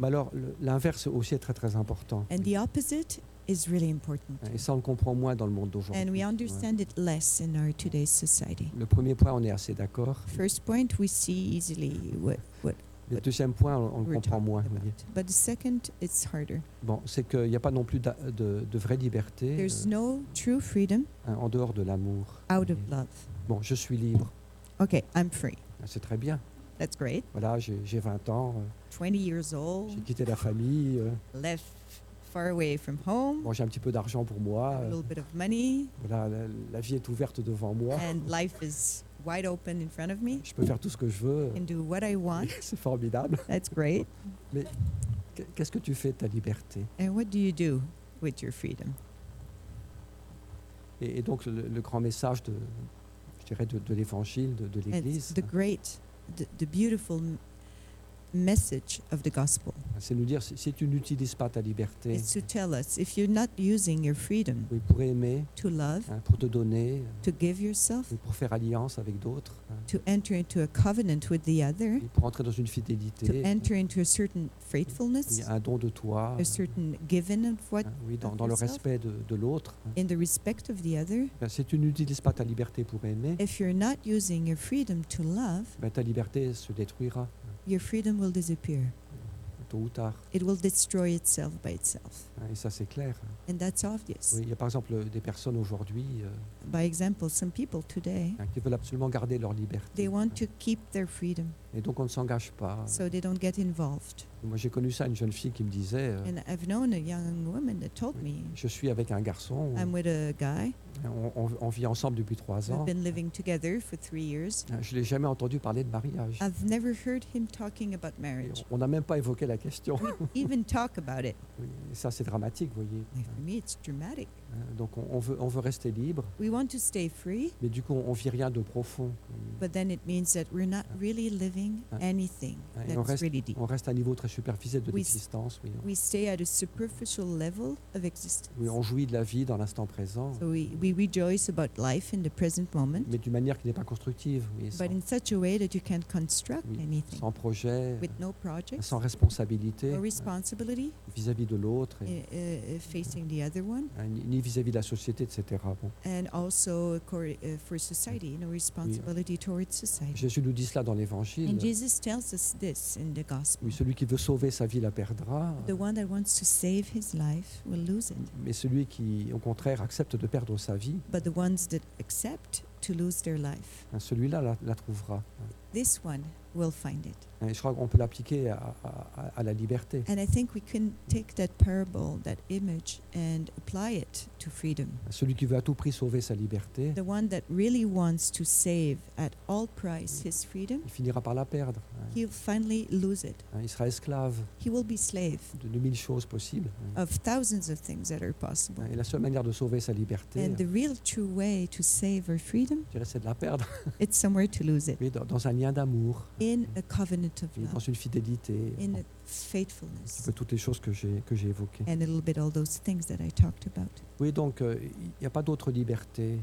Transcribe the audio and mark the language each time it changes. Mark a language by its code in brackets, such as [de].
[fr] Mais alors l'inverse aussi est très très important. [en] And the opposite is really important. [fr] Et ça on le comprend moins dans le monde d'aujourd'hui. [en] And we understand it less in our today's society. [fr] Le premier point, on est assez d'accord. [en] First point, we see easily what [fr] le deuxième point, on le comprend moins. [en] But the second, it's harder. [fr] Bon, c'est qu'il n'y a pas non plus de vraie liberté. [en] There's no true freedom. [fr] En dehors de l'amour. [en] Out of love. [fr] Bon, je suis libre. [en] Okay, I'm free. [fr] C'est très bien. [en] That's great. [fr] Voilà, j'ai 20 ans. [en] 20 years old. [fr] J'ai quitté la famille. [en] Left far away from home. [fr] Bon, j'ai un petit peu d'argent pour moi. [en] A little bit of money. [fr] Voilà, la vie est ouverte devant moi. [en] And life is wide open in front of me. [fr] Je peux faire tout ce que je veux. [en] I can do what I want. [fr] C'est formidable. [en] That's great. [fr] Mais qu'est-ce que tu fais de ta liberté? [en] And what do you do with your freedom? [fr] Et donc le grand message de, je dirais, de l'Évangile, de l'Église. [en] The great, the beautiful message of the gospel. [fr] C'est nous dire si tu n'utilises pas ta liberté. [en] It's to tell us if you're not using your freedom. [fr] Oui, pour aimer. [en] To love. [fr] Pour te donner. [en] To give yourself. [fr] Pour faire alliance avec d'autres. [en] To enter into a covenant with the other. [fr] Pour entrer dans une fidélité. [en] To enter into a certain faithfulness. [fr] Un don de toi. [en] A certain giving of what. [fr] Oui, dans le respect de l'autre. [en] In the respect of the other. [fr] Si tu n'utilises pas ta liberté pour aimer. [en] If you're not using your freedom to love. [fr] Ben ta liberté se détruira. [en] Your freedom will disappear. [fr] Tôt ou tard. [en] It will destroy itself by itself. [fr] Et ça, c'est clair. [en] And that's obvious. [fr] Oui, il y a par exemple des personnes aujourd'hui. [en] By example, some people today. [fr] Qui veulent absolument garder leur liberté. [en] They want to keep their freedom. [fr] Et donc on ne s'engage pas. [en] So they don't get involved. [fr] Moi, j'ai connu ça, une jeune fille qui me disait. [en] And I've known a young woman that told me. [fr] Je suis avec un garçon. [en] I'm with a guy. [fr] On vit ensemble depuis 3 ans. [en] We've been living together for 3 years. [fr] Je l'ai jamais entendu parler de mariage. [en] I've never heard him talking about marriage. [fr] On n'a même pas évoqué la question. [en] We even talk about it. [fr] Ça, c'est dramatique, vous voyez. [en] For me, it's dramatic. [fr] Donc on veut rester libre. [en] We want to stay free. [fr] Mais du coup, on vit rien de profond. [en] But then it means that we're not really living anything that's really deep. [fr] On reste à un niveau très superficiel de l'existence. Oui. [en] We stay at a superficial level of existence. [fr] Oui, on jouit de la vie dans l'instant présent. [en] So we rejoice about life in the present moment. [fr] Mais d'une manière qui n'est pas constructive. Oui, [en] but in such a way that you can't construct anything. [fr] Sans projet. [en] With no projects. [fr] Sans responsabilité. [en] No responsibility. [fr] Vis-à-vis de l'autre. [en] Facing the other one. [fr] Ni vis-à-vis de la société, etc. Bon. [en] And also for society, no responsibility towards society. [fr] Jésus nous dit cela dans l'Évangile. [en] And Jesus tells us this in the gospel. [fr] Oui, celui qui veut sauver sa vie la perdra. [en] The one that wants to save his life will lose it. [fr] Mais celui qui, au contraire, accepte de perdre sa vie. [en] But the ones that accept to lose their life. [fr] Celui-là la trouvera. [en] This one will find it. [fr] Et je crois qu'on peut l'appliquer à la liberté. [en] And I think we can take that parable, that image, and apply it to freedom. [fr] Celui qui veut à tout prix sauver sa liberté. [en] The one that really wants to save at all price his freedom. [fr] Il finira par la perdre. [en] He'll finally lose it. [fr] Il sera esclave. [en] He will be slave. [fr] De mille choses possibles. [en] Of thousands of things that are possible. [fr] Et la seule manière de sauver sa liberté. [en] And the real true way to save her freedom. [fr] Je dirais, c'est de la perdre. [en] It's somewhere to lose it. [fr] Mais dans un lien d'amour. [en] In a covenant. [fr] Dans une fidélité, [en] in a faithfulness. [fr] Un peu toutes les choses que j'ai évoquées. [en] And a little bit all those things that I talked about. [fr] Oui, donc il n'y a pas d'autre liberté.